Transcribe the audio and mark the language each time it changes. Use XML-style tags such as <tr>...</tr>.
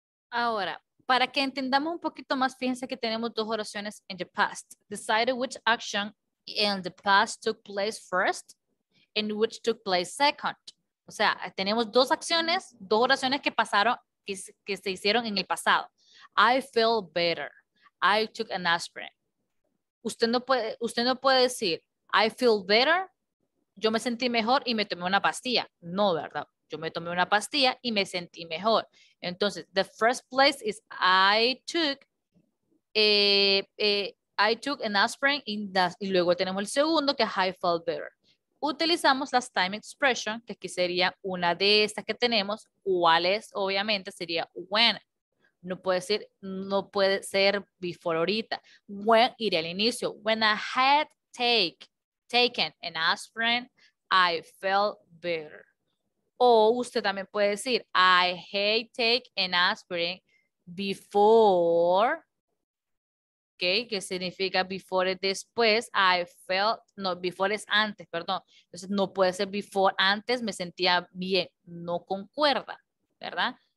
<es>Ahora, para que entendamos un poquito más, fíjense que tenemos dos oraciones</es> <en>in the past. Decided which action in the past took place first and which took place second.</en> <es>O sea, tenemos dos acciones, dos oraciones que pasaron, que se hicieron en el pasado.</es> <en>I feel better. I took an aspirin.</en> <es>Usted no puede decir,</es> <en>I feel better.</en> <es>Yo me sentí mejor y me tomé una pastilla. No, ¿verdad? Yo me tomé una pastilla y me sentí mejor.</es> <en>Entonces, the first place is I took an aspirin in that,</en> <es>y luego tenemos el segundo que es</es> <en>I felt better.</en> <es>Utilizamos las time expression, que aquí sería una de estas que tenemos. ¿Cuál es? Obviamente sería when. No puede ser before ahorita. When iría al inicio.</es> <en>When I had taken an aspirin, I felt better.</en> <es>O usted también puede decir,</es> <en>I hate take an aspirin before,</en> <es>okay, que significa before es después, I felt, no, before es antes, perdón. Entonces no puede ser before, antes me sentía bien, no concuerda, ¿verdad?</es>